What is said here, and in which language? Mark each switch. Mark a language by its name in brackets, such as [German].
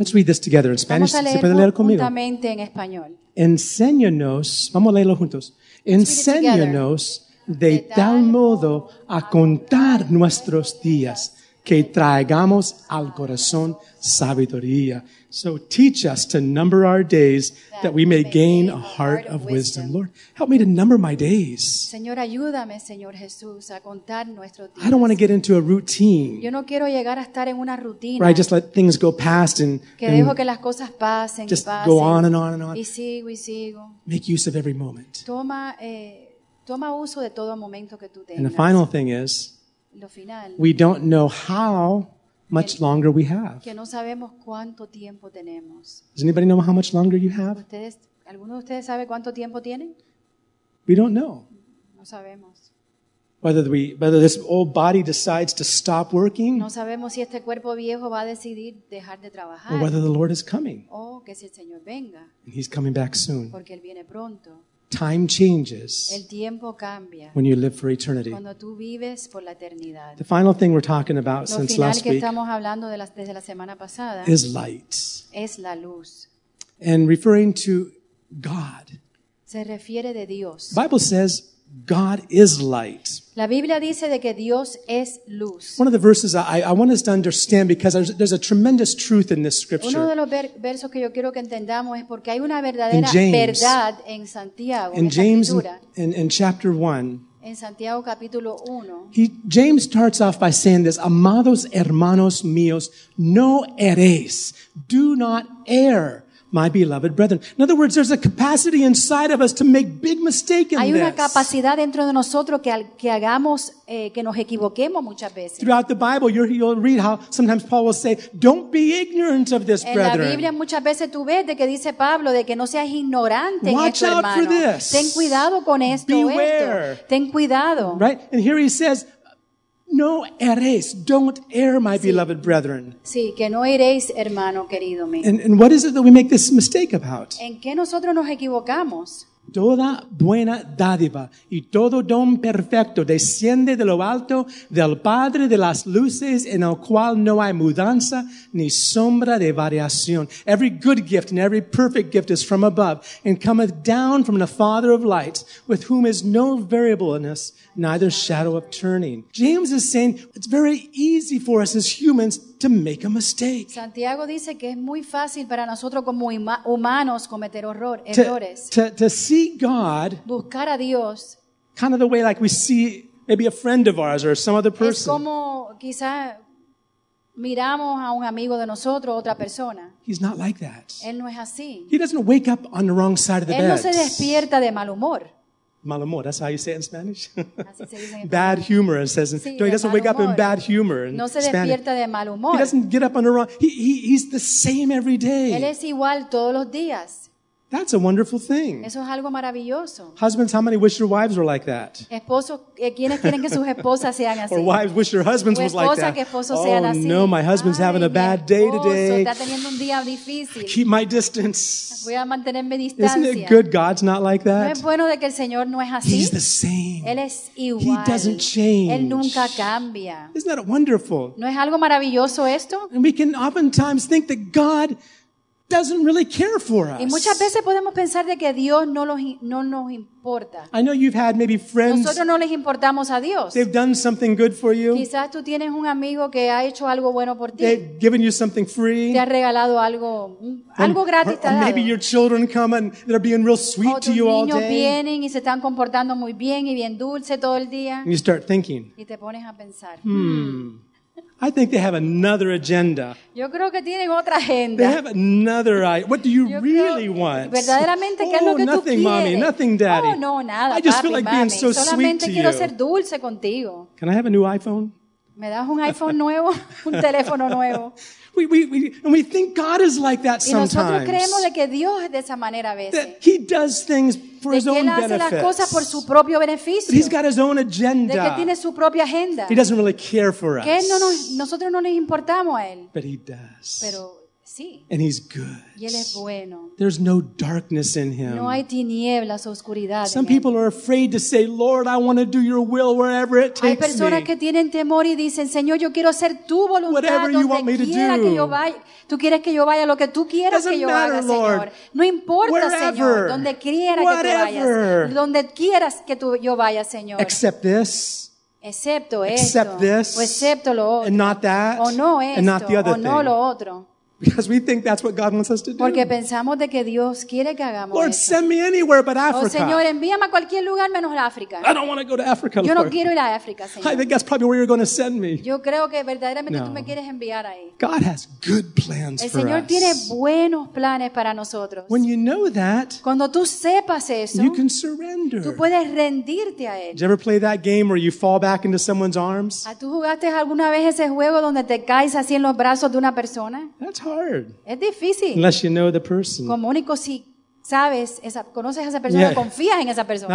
[English] Let's read this together in Spanish. [Spanish] Vamos a leerlo. ¿Se puede leer conmigo? Juntamente en español. Enséñanos, vamos a leerlo juntos. Enséñanos de tal modo a contar nuestros días que traigamos al corazón sabiduría. [English] So teach us to number our days that we may gain a heart of wisdom. Lord, help me to number my days. [Spanish] Señor, ayúdame, Señor Jesús, a contar nuestros días. [English] I don't want to get into a routine. [Spanish] Yo no quiero llegar a estar en una rutina. [English] Where I just let things go past and [Spanish] que dejo que las cosas pasen, [English] just [Spanish] pasen, [English] go on and on and on. [Spanish] Y sigo, y sigo. [English] Make use of every moment. [Spanish] Toma, toma uso de todo momento que tú tengas. [English] And the final thing is, [Spanish] lo final, [English] we don't know how much longer we have. [Spanish] Que no sabemos cuánto tiempo tenemos. [English] Does anybody know how much longer you have? [Spanish] ¿Ustedes, alguno de ustedes sabe cuánto tiempo tienen? [English] We don't know. [Spanish] No sabemos. [English] Whether this old body decides to stop working, [Spanish] no sabemos si este cuerpo viejo va a decidir dejar de trabajar, [English] or whether the Lord is coming. [Spanish] O que si el Señor venga. [English] And he's coming back soon. [Spanish] Porque él viene pronto. [English] Time changes. [Spanish] El tiempo cambia. [English] When you live for eternity. [Spanish] Cuando tú vives por la eternidad. [English] The final thing we're talking about [Spanish] lo [English] since last [Spanish] que [English] week [Spanish] estamos hablando de la, desde la semana pasada, [English] is light. [Spanish] Es la luz. [English] And referring to God. [Spanish] Se refiere de Dios. [English] The Bible says God is light. [Spanish] La Biblia dice de que Dios es luz. [English] One of the verses I want us to understand because there's a tremendous truth in this scripture. [Spanish] Uno de los versos que yo quiero que entendamos es porque hay una verdadera verdad en Santiago. [English] In [Spanish] en [English] James, [Spanish] escritura. [English] In chapter 1. [Spanish] En Santiago capítulo 1. [English] James starts off by saying this, [Spanish] amados hermanos míos, no erréis. [English] Do not err. My beloved brethren. In other words, there's a capacity inside of us to make big mistakes in this. [Spanish] Hay una capacidad dentro de nosotros que hagamos que nos equivoquemos muchas veces. [English] Throughout the Bible, you'll read how sometimes Paul will say, "Don't be ignorant of this, brethren." [Spanish] En la Biblia muchas veces tú ves de que dice Pablo de que no seas ignorante en esto, hermano. [English] Watch out for this. [Spanish] Ten cuidado con esto. [English] Beware. [Spanish] Ten cuidado. [English] Right? And here he says, [Spanish] "No erréis, [English] don't err, my beloved brethren." [Spanish] Sí, que no erréis, hermano querido mío. [English] And what is it that we make this mistake about? [Spanish] ¿En qué nosotros nos equivocamos? Toda buena dádiva y todo don perfecto desciende de lo alto del Padre de las luces, en el cual no hay mudanza ni sombra de variación. [English] Every good gift and every perfect gift is from above and cometh down from the Father of lights, with whom is no variableness, neither shadow of turning. James is saying it's very easy for us as humans to make a mistake. [Spanish] Santiago dice que es muy fácil para nosotros como humanos cometer errores. [English] To see God, [Spanish] buscar a Dios, [English] kind of the way like we see maybe a friend of ours or some other person. [Spanish] Es como quizá miramos a un amigo de nosotros, otra persona. [English] He's not like that. [Spanish] Él no es así. [English] He doesn't wake up on the wrong side of the bed. [Spanish] Él no se despierta de mal humor. Mal humor, [English] that's how you say it in Spanish. Bad humor, it says. [Spanish] Sí, [English] no, he doesn't wake up in bad humor. [Spanish] No se despierta de mal humor. [English] He doesn't get up on the wrong. He's the same every day. [Spanish] Él es igual todos los días. [English] That's a wonderful thing. [Spanish] Eso es algo maravilloso. [English] Husbands, how many wish your wives were like that? [Spanish] ¿Quiénes quieren que sus esposas sean así? [English] Or wives wish your husbands was like that. [Spanish] Que esposo oh sean así. [English] No, my husband's ay, having a bad day today. [Spanish] Está teniendo un día difícil. [English] Keep my distance. [Spanish] Voy a mantener mi distancia. [English] Isn't it good God's not like that? [Spanish] No es bueno de que el Señor no es así. [English] He's the same. [Spanish] Él es igual. [English] He doesn't change. [Spanish] Él nunca cambia. [English] Isn't that wonderful? [Spanish] ¿No es algo maravilloso esto? [English] And we can oftentimes think that God doesn't really care for us. [Spanish] Y muchas veces podemos pensar de que Dios no los no nos importa. [English] I know you've had maybe friends. [Spanish] Nosotros no les importamos a Dios. [English] They've done something good for you. [Spanish] Quizás tú tienes un amigo que ha hecho algo bueno por ti. [English] They've given you something free. [Spanish] Te ha regalado algo algo gratis. [English] Or maybe your children come and they're being real sweet to you all day. [Spanish] Tus niños vienen y se están comportando muy bien y bien dulce todo el día. [English] And you start thinking. [Spanish] Y te pones a pensar. [English] I think they have another agenda. [Spanish] Yo creo que tienen otra agenda. [English] They have another idea. What do you really want? [Spanish] Verdaderamente, ¿qué es lo que tú quieres? [English] Oh, nothing, mommy. Nothing, daddy. [Spanish] Oh, no, nada, [English] I just [Spanish] papi, [English] feel like [Spanish] mami, [English] being so sweet to you. [Spanish] Solamente quiero ser dulce contigo. [English] Can I have a new iPhone? [Spanish] ¿Me das un iPhone nuevo? Un teléfono nuevo. [English] We think God is like that sometimes. [Spanish] Y nosotros creemos de que Dios es de esa manera a veces. [English] That he does things for his own benefit. [Spanish] De que él hace las cosas por su propio beneficio. [English] But he's got his own agenda. [Spanish] De que tiene su propia agenda. [English] He doesn't really care for us. [Spanish] Que no nos, nosotros no les importamos a él. [English] But he does. [Spanish] Pero sí. [English] And he's good. [Spanish] Y él es bueno. [English] There's no darkness in him. [Spanish] No hay tinieblas, oscuridad. [English] Some people are afraid to say, Lord, I want to do your will wherever it takes me. [Spanish] Hay personas que tienen temor y dicen, Señor, yo quiero hacer tu voluntad. [English] Whatever you want me to do. [Spanish] Que yo vaya. Tú quieres que yo vaya lo que tú quieras que yo haga, Señor. No importa, [English] wherever, [Spanish] Señor, donde quiera que tú vayas. Donde quieras que tú yo vaya, Señor. [English] Except this. [Spanish] Excepto [English] except [Spanish] esto. O excepto lo otro. [English] And not that. [Spanish] O no esto. [English] And not the other [Spanish] o no lo otro. [English] Because we think that's what God wants us to do. [Spanish] Porque pensamos de que Dios quiere que hagamos [English] Lord, [Spanish] eso. [English] Send me anywhere but Africa. [Spanish] Oh, Señor, envíame a cualquier lugar menos África. [English] I don't want to go to Africa, [Spanish] yo no [English] Lord. [Spanish] Quiero ir a África, Señor. [English] I think that's probably where you're going to send me. [Spanish] Yo creo que verdaderamente no. Tú me quieres enviar ahí. [English] God has good plans for us. [Spanish] El Señor tiene buenos planes para nosotros. [English] When you know that, [Spanish] cuando tú sepas eso, [English] you can surrender. [Spanish] Tú puedes rendirte a él. [English] Did you ever play that game where you fall back into someone's arms? [Spanish] ¿A tú jugaste alguna vez ese juego donde te caes así en los brazos de una persona? [English] It's hard. Unless you know the person. [Spanish] Como único si sabes esa conoces a esa persona, confías en esa persona.